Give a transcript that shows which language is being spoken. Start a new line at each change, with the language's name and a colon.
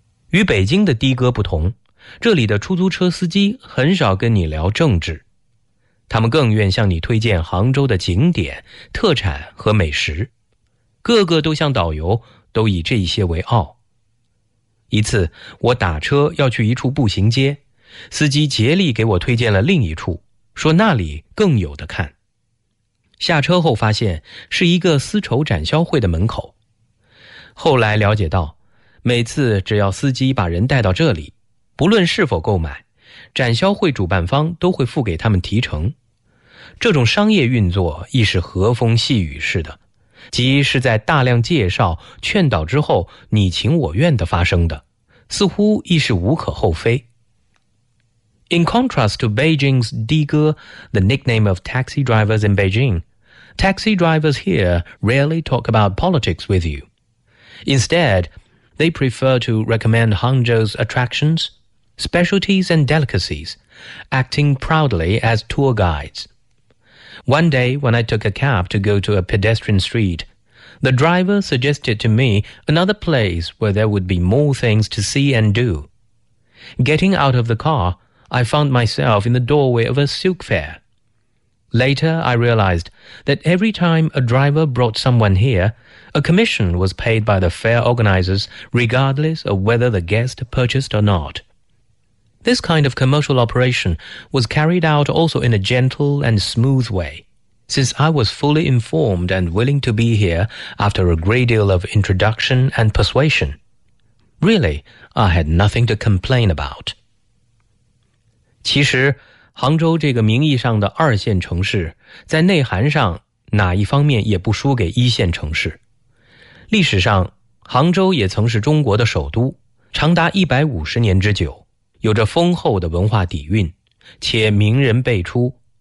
Chinese: 与北京的的哥不同，这里的出租车司机很少跟你聊政治，他们更愿向你推荐杭州的景点、特产和美食，个个都像导游，都以这些为傲。一次，我打车要去一处步行街，司机竭力给我推荐了另一处，说那里更有的看。下车后发现是一个丝绸展销会的门口，后来了解到每次只要司机把人带到这里，不论是否购买，展销会主办方都会付给他们提成。这种商业运作亦是和风细雨似的，即是在大量介绍劝导之后你情我愿地发生的，似乎亦是无可厚非。
English: In contrast to Beijing's 的哥, the nickname of taxi drivers in Beijing, taxi drivers here rarely talk about politics with you. Instead,They prefer to recommend Hangzhou's attractions, specialties and delicacies, acting proudly as tour guides. One day, when I took a cab to go to a pedestrian street, the driver suggested to me another place where there would be more things to see and do. Getting out of the car, I found myself in the doorway of a silk fair. Later, I realized that every time a driver brought someone here,A commission was paid by the fair organizers regardless of whether the guest purchased or not. This kind of commercial operation was carried out also in a gentle and smooth way, since I was fully informed and willing to be here after a great deal of introduction and persuasion. Really, I had nothing to complain about.
Chinese: 其实杭州这个名义上的二线城市，在内涵上哪一方面也不输给一线城市。历史上杭州也曾是中国的首都，长达150年之久，有着丰厚的文化底蕴，且名人辈出。